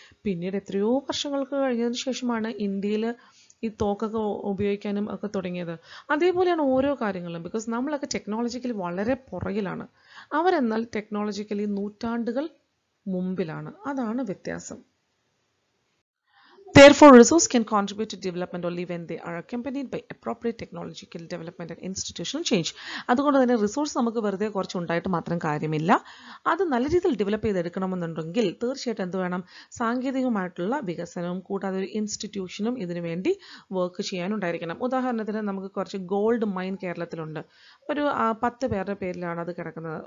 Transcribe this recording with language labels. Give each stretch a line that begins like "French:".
Malayalam: പിന്നീട് എത്രയോ വർഷങ്ങൾക്ക് കഴിഞ്ഞതിന് ശേഷമാണ് ഇന്ത്യയിൽ ഈ തോക്കൊക്കെ ഉപയോഗിക്കാനും ഒക്കെ തുടങ്ങിയത്. അതേപോലെയാണ് ഓരോ കാര്യങ്ങളും, ബിക്കോസ് നമ്മളൊക്കെ ടെക്നോളജിക്കലി വളരെ പുറകിലാണ്, അവരെന്നാൽ ടെക്നോളജിക്കലി നൂറ്റാണ്ടുകൾ മുമ്പിലാണ്. അതാണ് വ്യത്യാസം.
English: Therefore, resources can contribute to development only when they are accompanied by appropriate technological development and institutional change.
Malayalam: അതുകൊണ്ട് തന്നെ റിസോഴ്സ് നമുക്ക് വെറുതെ കുറച്ച് ഉണ്ടായിട്ട് മാത്രം കാര്യമില്ല, അത് നല്ല രീതിയിൽ ഡെവലപ്പ് ചെയ്തെടുക്കണമെന്നുണ്ടെങ്കിൽ തീർച്ചയായിട്ടും എന്ത് വേണം, സാങ്കേതികമായിട്ടുള്ള വികസനവും കൂടാതെ ഒരു ഇൻസ്റ്റിറ്റ്യൂഷനും ഇതിനു വേണ്ടി വർക്ക് ചെയ്യാനുണ്ടായിരിക്കണം. ഉദാഹരണത്തിന് നമുക്ക് കുറച്ച് ഗോൾഡ് മൈൻ കേരളത്തിലുണ്ട്, ഒരു 10 പേരിലാണ് അത് കിടക്കുന്നത്.